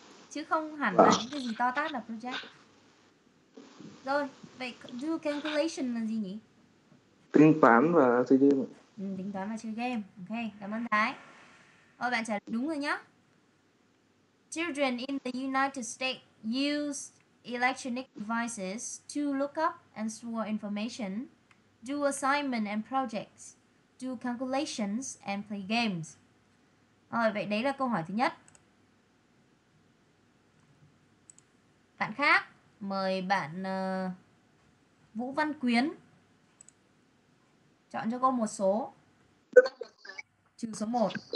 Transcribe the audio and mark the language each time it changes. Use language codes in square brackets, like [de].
[vi] Chứ không hẳn là những cái gì to tát là project. Rồi, vậy do calculation là gì nhỉ? Tính toán và chơi game. Tính toán và chơi game. Ok, cảm ơn Thái. Ôi, bạn trả lời đúng rồi nhá. [en] Children in the United States use electronic devices to look up and store information, do assignment and projects, do calculations and play games. [vi] Rồi, vậy đấy là câu hỏi thứ nhất. Bạn khác, mời bạn Vũ Văn Quyến chọn cho cô một số trừ số 1.